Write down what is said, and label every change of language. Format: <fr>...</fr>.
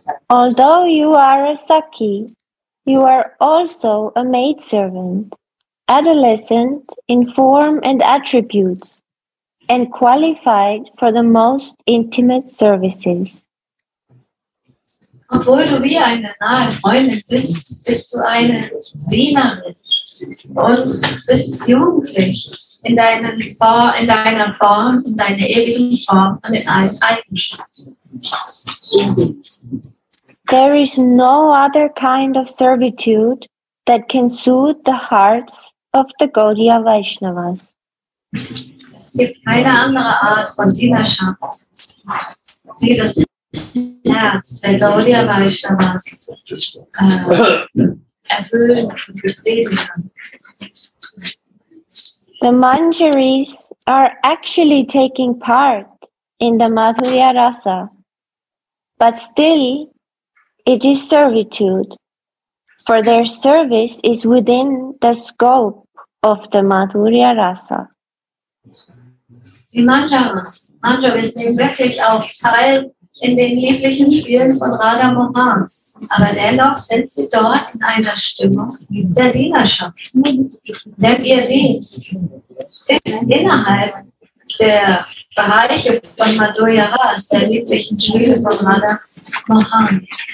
<en>Although you are a Sakhi, you are also a maidservant, adolescent in form and attributes, and qualified for the most intimate services.</en> <de>Obwohl du wie eine nahe Freundin bist, bist du eine Dienerin und bist jugendlich in deinen in deiner Form, in deiner ewigen Form und in allen Eigenschaften.</de> <en>There is no other kind of servitude that can soothe the hearts of the Gaudiya Vaishnavas.</en> <de>Es gibt keine andere Art von Dienerschaft, die das Herz der Gaudiya Vaishnavas erfüllen und befrieden kann.</de> <en>The Manjaris are actually taking part in the Madhurya Rasa, but still it is servitude, for their service is within the scope of the Madhurya Rasa.</en> <de>Die Manjaris nehmen wirklich auch teil in den lieblichen Spielen von Radha Mohan, aber dennoch sind sie dort in einer Stimmung der Dienerschaft. Denn ihr Dienst ist innerhalb der Bereiche von Madhurya Rasa, der lieblichen Spiele von Radha Mohan.</de>